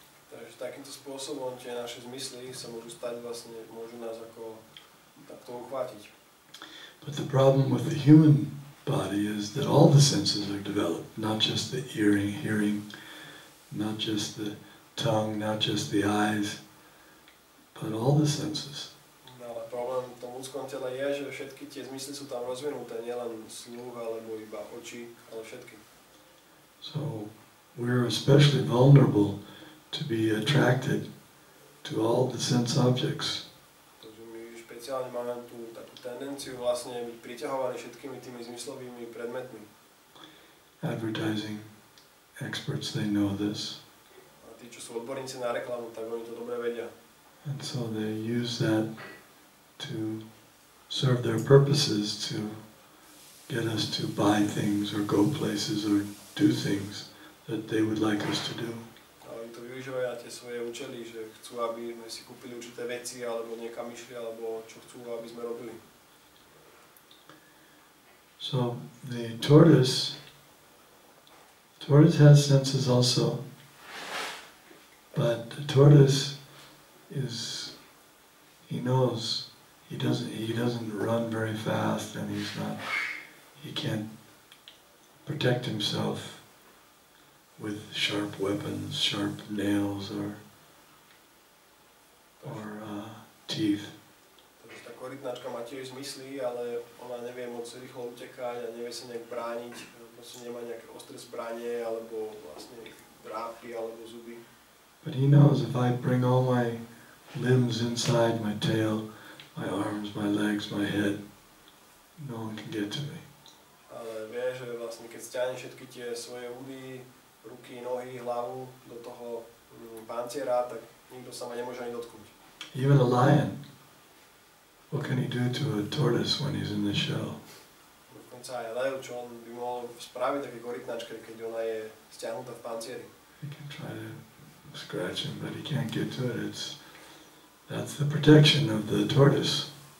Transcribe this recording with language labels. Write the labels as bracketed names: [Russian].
[Slovak] Takže takýmto spôsobom tie naše zmysly sa môžu stať vlastne, môžu nás ako takto uchvátiť. [English] But the problem with the human body is that all the senses are developed, not just the hearing, not just the tongue, not just the eyes, but all the senses. [Slovak] Ale problém v tom ľudskom tele je, že všetky tie zmysly sú tam rozvinuté, nielen sluch, alebo iba oči, ale všetky. [English] So we are especially vulnerable to be attracted to all the sense objects. [Slovak] Takže my špeciálne máme tú takú tendenciu vlastne byť priťahovaní všetkými tými zmyslovými predmetmi. [English] Advertising experts, they know this. [Slovak] A tí, čo sú odborníci na reklamu, tak oni to dobre vedia. [English] And so they use that to serve their purposes, to get us to buy things or go places or do things that they would like us to do. [Slovak] Oni to využívajú tie svoje účely, že chcú, aby sme si kúpili určité veci alebo niekam išli, alebo čo chcú, aby sme robili. [English] So the tortoise has senses also, but the tortoise is, he knows. He doesn't run very fast, and he can't protect himself with sharp weapons, sharp nails or teeth. [Slovak] Takže tá korytnačka má tiež zmysly, ale ona nevie moc rýchlo utekať a nevie sa nejak brániť, proste nemá nejaké ostré zbranie alebo vlastne drápy alebo zuby. [English] But he knows if I bring all my limbs inside my tail, my arms, my legs, my head, no one can get to me. [Slovak] Ale vie, že vlastne keď stiahne všetky tie svoje údy, ruky, nohy, hlavu do toho panciera, tak nikto sa ma nemôže ani dotknúť. [English] Even a lion, what can he do to a tortoise when he's in the shell? [Slovak] Dokonca aj lev, čo on by mohol spraviť také korytnačke, keď ona je stiahnutá v pancieri. [English] He can try to scratch him, but he can't get to it. That's the protection of the tortoise.